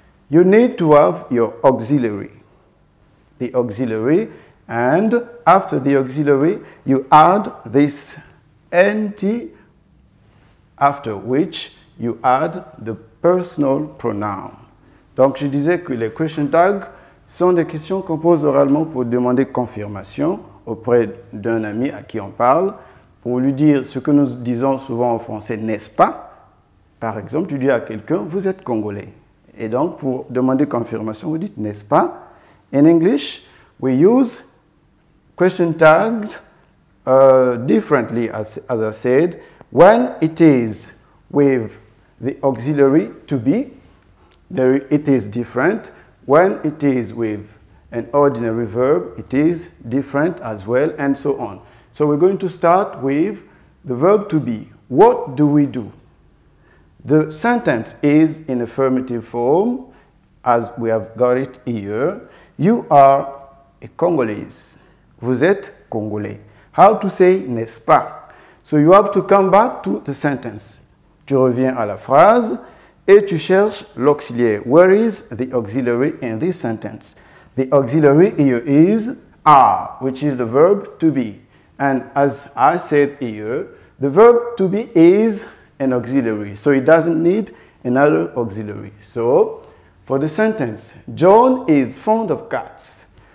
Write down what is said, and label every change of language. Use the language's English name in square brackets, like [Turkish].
[English] You need to have your auxiliary. The auxiliary, and after the auxiliary, you add this NT, after which you add the personal pronoun. [French] Donc, je disais que les question tags sont des questions qu'on pose oralement pour demander confirmation auprès d'un ami à qui on parle, pour lui dire ce que nous disons souvent en français, n'est-ce pas? Par exemple, tu dis à quelqu'un, vous êtes congolais. Et donc, pour demander confirmation, vous dites, n'est-ce pas? [English] In English, we use question tags differently, as I said, when it is with the auxiliary to be, there it is different. When it is with an ordinary verb, it is different as well, and so on. So we're going to start with the verb to be. What do we do? The sentence is in affirmative form, as we have got it here. You are a Congolese. [French] Vous êtes Congolais. [English] How to say [French] n'est-ce pas? [English] So you have to come back to the sentence. [French] Tu reviens à la phrase et tu cherches l'auxiliaire. [English] Where is the auxiliary in this sentence? The auxiliary here is are, which is the verb to be. And as I said here, the verb to be is an auxiliary. So it doesn't need another auxiliary. So for the sentence, John is fond of cats.